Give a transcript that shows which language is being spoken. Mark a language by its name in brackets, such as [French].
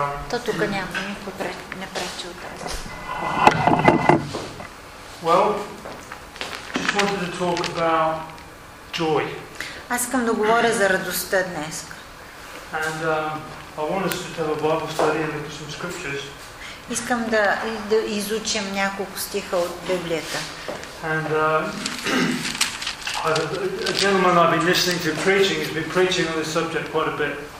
[Bulgarian] То тук няма никой не пречи от тази. [English] Well, just wanted to talk about joy. [Bulgarian] Аз искам да говоря за радостта днес. [English] And I want us to have a Bible study and look at some scriptures. [Bulgarian] Искам да изучим няколко стиха от Библията. [English] And a gentleman I've been listening to preaching has been preaching on this subject quite a bit.